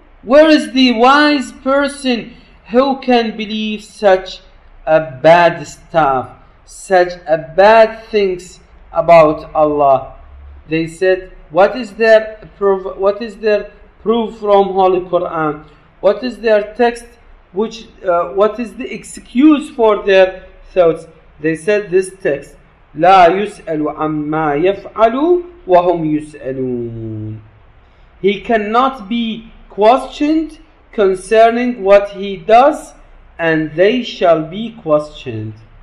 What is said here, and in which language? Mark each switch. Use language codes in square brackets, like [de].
[en] Where is the wise person who can believe such a bad stuff, such a bad things about Allah? They said, what is their proof? What is their proof from Holy Quran? What is their text? Which what is the excuse for their thoughts? They said this text, [ar] لا يسأل عما يفعل وهم يسألون. [en] He cannot be questioned concerning what he does, and they shall be questioned.